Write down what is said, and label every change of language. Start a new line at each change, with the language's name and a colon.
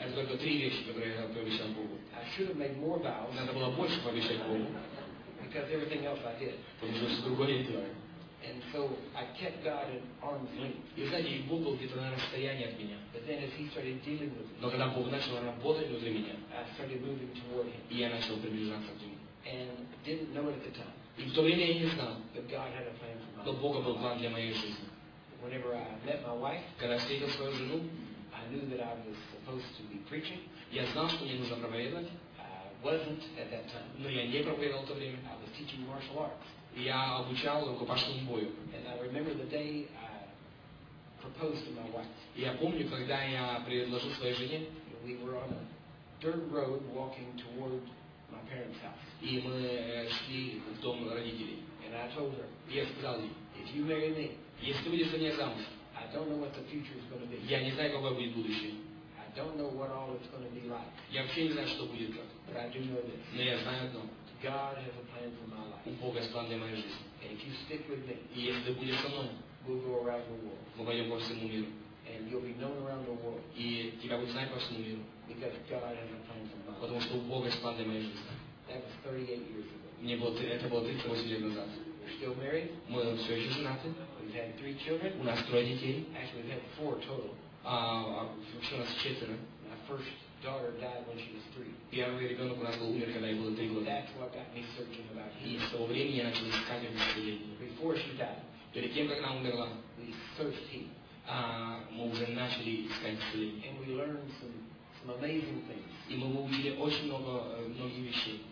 Russian: Это только три вещи, которые я пообещал Богу.
English: I should have made more vows.
Russian: Надо было больше пообещать Богу.
English: Because everything else I did.
Russian: Потому что все другое я делал.
English: And so I kept God at arm's length.
Russian: И знаете, Бог был где-то на расстоянии от меня.
English: But then as he started dealing with me,
Russian: но когда Бог начал работать внутри меня,
English: I started moving toward him.
Russian: И я начал приближаться к нему.
English: And didn't know it at the time.
Russian: И в то время я не знал.
English: But God had a plan for my life.
Russian: Но Бога был план для моей жизни.
English: Whenever I met my wife,
Russian: когда встретил свою жену,
English: I knew that I was supposed to be preaching.
Russian: Я знал, что мне нужно проповедовать.
English: I wasn't at that time.
Russian: Но я не проповедовал в то время.
English: I was teaching martial arts.
Russian: Я обучал рукопашному бою.
English: And I remember the day I proposed to my wife.
Russian: Я помню, когда я предложил своей жене.
English: We were on a dirt road walking toward my parents' house.
Russian: И мы шли в дом родителей.
English: And I told her.
Russian: Я сказал ей.
English: If you marry me.
Russian: Если ты выйдешь за меня замуж.
English: I don't know what the future is going to be.
Russian: Я не знаю, какое будет будущее.
English: I don't know what all it's going to be like.
Russian: Я вообще не знаю, что будет как.
English: But I do know this.
Russian: Но я знаю одно.
English: God has a plan for my life.
Russian: У Бога есть план для моей жизни.
English: And if you stick with me,
Russian: и если ты будешь со мной,
English: we'll go around the world.
Russian: Мы пойдем по всему миру.
English: And you'll be known around the world.
Russian: И тебя будут знать по всему миру.
English: Because God has a plan for my life.
Russian: Потому что у Бога есть план для моей жизни.
English: That was 38 years ago.
Russian: Мне было, это было 38 лет назад.
English: We're still married.
Russian: Мы все еще женаты.
English: We've had three children.
Russian: У нас трое детей.
English: Actually, we've had four total.
Russian: Вообще у нас четверо.
English: My first daughter died when she was three.
Russian: Первый ребенок у нас был умер, когда ей было 3 года.
English: That's what got me searching about him.
Russian: И с того времени я начал искать его среди.
English: Before she died.
Russian: Перед тем, как она умерла.
English: We searched him.
Russian: Мы уже начали искать его среди.
English: And we learned some amazing things.
Russian: И мы увидели очень много многих вещей.